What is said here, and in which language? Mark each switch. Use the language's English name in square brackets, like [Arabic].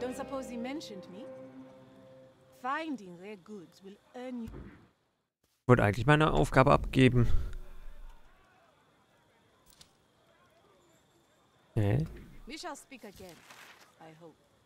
[English] Don't suppose he mentioned me? Finding their goods will earn you. [German] Ich würde eigentlich meine Aufgabe abgeben. Hä? [English] We shall speak again, I hope.